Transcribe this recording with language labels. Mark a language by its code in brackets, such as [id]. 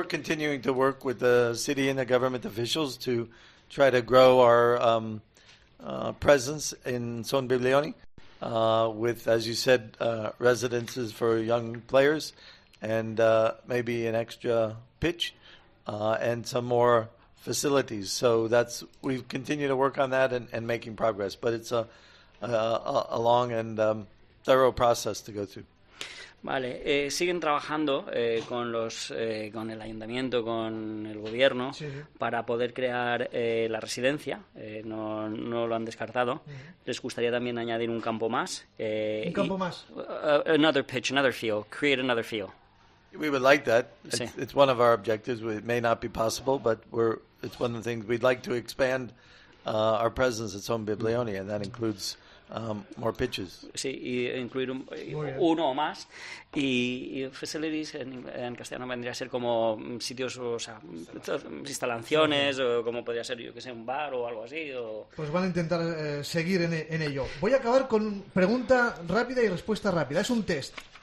[en] Yeah, we're continuing to work with the city and the government officials to try to grow our presence in Sonbibilón, with, as you said, residences for young players, and maybe an extra pitch and some more facilities. So that's, we continue to work on that and making progress, but it's a long and thorough process to go through. [es] Vale, siguen trabajando con el ayuntamiento, con el gobierno, sí, para poder crear la residencia. No lo han descartado. Sí. Les gustaría también añadir un campo más. Un campo más. [en] Another pitch, another field. Create another field. We would like that. Sí. It's one of our objectives. It may not be possible, but it's one of the things we'd like to expand our presence at Sonbibilón, and that includes more pitches. [es] Sí, y incluir uno o más. Y facilities en castellano vendría a ser como sitios, o sea, instalaciones, o como podría ser, yo que sé, un bar o algo así. Pues van a intentar seguir en ello. Voy a acabar con pregunta rápida y respuesta rápida. Es un test.